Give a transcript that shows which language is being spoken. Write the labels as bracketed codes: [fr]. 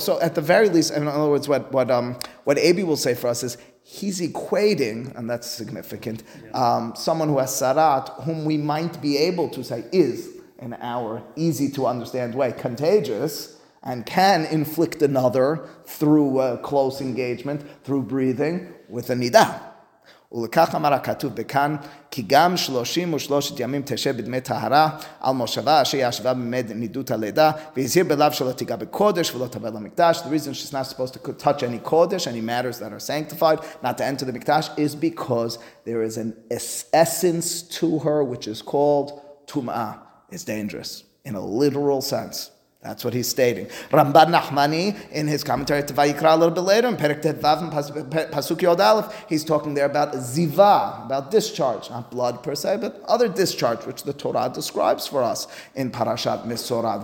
[en] So at the very least, in other words, what AB will say for us is he's equating, and that's significant, someone who has sarat, whom we might be able to say is, in our easy to understand way, contagious and can inflict another through close engagement, through breathing, with a nida. [he] ולכך אמר הכתוב בכאן, כי גם 33 ימים תשב בדמי טהרה על מושבה אשר ישבה במד נידות הלידה, והזהיר בלב שלא תיגע בקודש ולא תבל למקדש. [en] The reason she's not supposed to touch any kodesh, any matters that are sanctified, not to enter the mikdash, is because there is an essence to her which is called tum'ah. It's dangerous in a literal sense. That's what he's stating. Ramban Nachmani, in his commentary to Vayikra a little bit later, in Perek Tevav and Pasuk Yod Aleph, he's talking there about ziva, about discharge, not blood per se, but other discharge, which the Torah describes for us in Parashat Misorah.